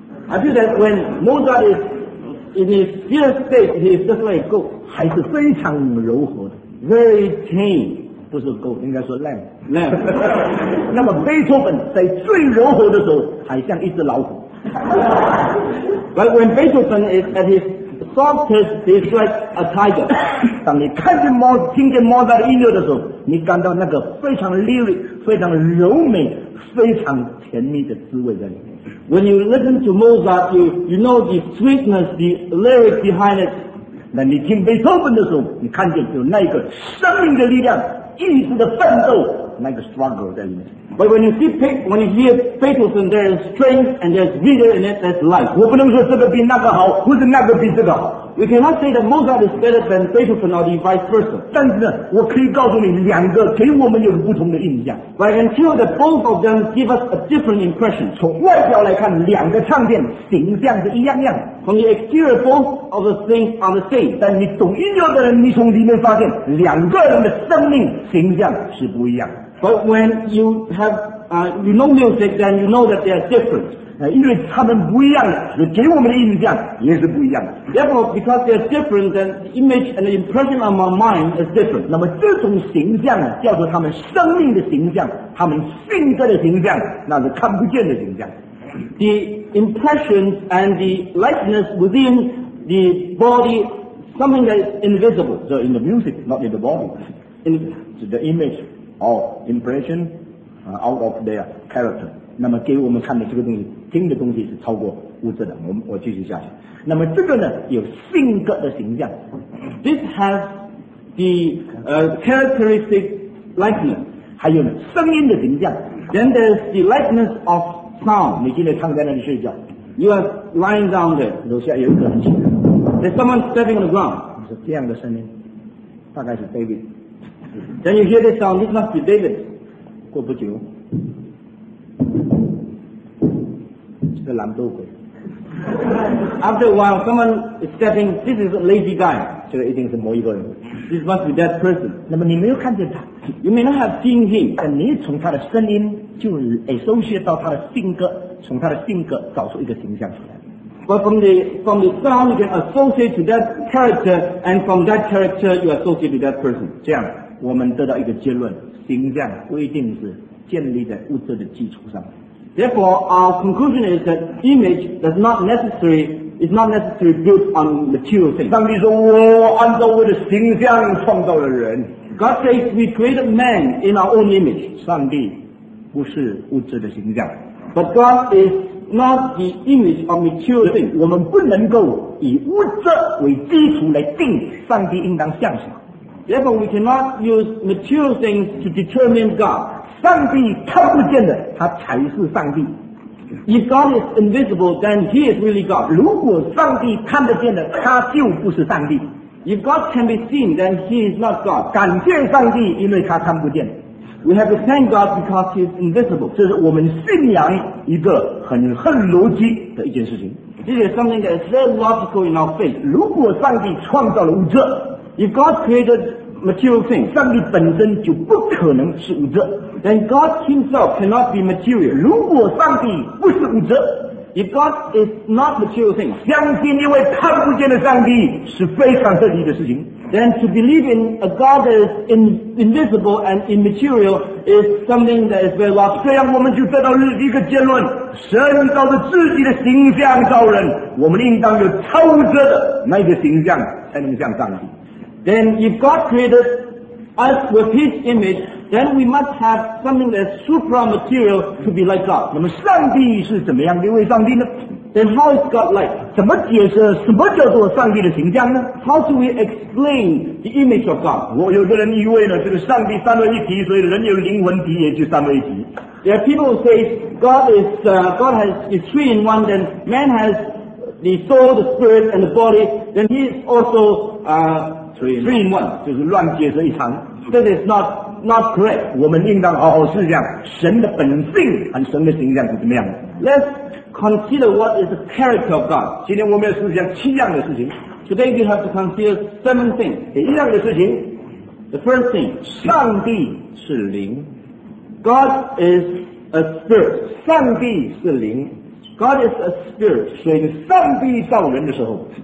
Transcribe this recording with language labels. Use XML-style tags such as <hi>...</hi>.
<en>I feel that when Mozart is in his fierce state, he is just like a goat.</en> <zh>还是非常柔和的。</zh> <en>Very tame.</en> <zh>不是 goat, 应该说 lamb. 没有。那么贝多芬在最柔和的时候还像一只老虎。</zh> <en>But when Beethoven is at his softest, he's like a tiger.</en> <zh>当你看见猫听见猫在音乐的时候，你感到那个非常 lyric, 非常柔美，非常甜蜜的滋味在里面。</zh> <en>When you listen to Mozart, you know the sweetness, the lyric behind it.</en> <zh>那你听贝多芬的时候，你看见有那个生命的力量，意志的奋斗，那个 struggle 在里面。</zh> <en>But when you see when you hear Beethoven, there is strength and there is vigor in it, there's life.</en> <zh>我不能说这个比那个好，或者那个比这个好。</zh> <en>We cannot say that Mozart is better than Beethoven or the vice versa.</en> <zh>但是呢，我可以告诉你，两个给我们有不同的印象。</zh> <en>But I can tell that both of them give us a different impression.</en> <zh>从外表来看，两个唱片形象是一样样。</zh> <en>From the exterior, both of the things are the same.</en> <zh>但你懂音乐的人，你从里面发现，两个人的生命形象是不一样。</zh> <en>But when you have, you know music, then you know that they are different.</en> <zh>因为他们不一样的，所以给我们的印象也是不一样的。</zh> <en>Therefore, because they are different, then the image and the impression on my mind is different.</en> <zh>那么这种形象呢，叫做他们生命的形象，他们性格的形象，那是看不见的形象。</zh> <en>The impression and the likeness within the body, something that is invisible. So in the music, not in the body. In the image. Or impression out of their character.</en> <zh>那么给我们看的这个东西，听的东西是超过物质的。我继续下去。那么这个呢，有性格的形象。</zh> <en>This has the characteristic likeness.</en> <zh>还有声音的形象。</zh> <en>Then there's the likeness of sound.</en> <zh>你今天躺在那里睡觉。</zh> <en>You are lying down there.</en> <zh>楼下有一个人。</zh> <en>There's someone stepping on the ground.</en> <zh>是这样的声音，大概是 David.</zh> <en>Then you hear this sound, this must be David.</en> <zh>过不久，是个懒惰鬼。</zh> <en>After a while, someone is stepping, this is a lazy guy.</en> <zh>这个一定是某一个人。</zh> <en>This must be that person.</en> <zh>那么你没有看见他。</zh> <en>You may not have seen him.</en> <zh>但你从他的声音就 associate 到他的性格，从他的性格找出一个形象出来。</zh> <en>But from the sound, you can associate to that character, and from that character, you associate to that person.</en> <zh>这样。我们得到一个结论，形象不一定是建立在物质的基础上。</zh> <en>Therefore, our conclusion is that image does not necessary is not necessary built on material things.</en> <zh>上帝说，我按照我的形象创造了人。</zh> <en>God says we created man in our own image.</en> <zh>上帝不是物质的形象。</zh> <en>But God is not the image of material things.</en> <zh>我们不能够以物质为基础来定上帝应当像什么。</zh> <en>Therefore, we cannot use material things to determine God.</en> <zh>上帝看不见的，他才是上帝。</zh> <en>If God is invisible, then He is really God.</en> <zh>如果上帝看得见的，他就不是上帝。</zh> <en>If God can be seen, then He is not God.</en> <zh>感谢上帝，因为他看不见。</zh> <en>We have to thank God because He is invisible.</en> <zh>这是我们信仰一个很恨逻辑的一件事情。</zh> <en>This is something that is very logical in our faith.</en> <zh>如果上帝创造了物质，</zh> <en>If God created material things,</en> <zh>上帝本身就不可能是物质。</zh> <en>Then God Himself cannot be material.</en> <zh>如果上帝不是物质</zh> <en>，If God is not material things,</en> <zh>相信一位看不见的上帝是非常合理的事情。</zh> <en>Then to believe in a God that is invisible and immaterial is something that is very lost.</en> <zh>这样我们就得到一个结论：神照着自己的形象造人，我们应当有超物质的那个形象，才能像上帝。</zh> <en>Then if God created us with His image, then we must have something that's supra-material to be like God.</en> <zh>那么上帝是怎么样的一位上帝呢？</zh> <en>Then how is God like?</en> <zh>怎么解释什么叫做上帝的形象呢？</zh> <en>How do we explain the image of God?</en> <zh>我有个人以为呢，这个上帝三位一体，所以人有灵魂体也就三位一体。</zh> <en>There are people who say God has is three in one, then man has the soul, the spirit, and the body, then he is also, Three in one</en> <zh>就是乱解释一场。</zh> <en>That is not correct.</en> <zh>我们应当好好思想神的本性和神的形象是怎么样的。</zh> <en>Let's consider what is the character of God.</en> <zh>今天我们要思想七样的事情。</zh> <en>Today we have to consider seven things.</en> <zh>第一样的事情</zh> <en>，The first thing，</en> <zh>上帝是灵。</zh> <en>God is a spirit.</en> <zh>上帝是灵。</zh> <en>God is a spirit.</en> <zh>所以上帝造人的时候</zh>